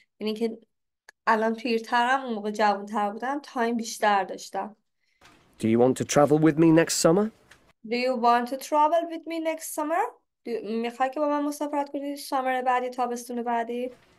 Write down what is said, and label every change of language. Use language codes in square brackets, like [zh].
[fa] یعنی که الان پیرترم, اون موقع جوان تر بودم, تایم بیشتر داشتم. [en] Do you want to travel with me next summer? Do you want to travel with me next summer? [fa] میخوای که با من مسافرت کنی سامر بعدی, تابستون بعدی؟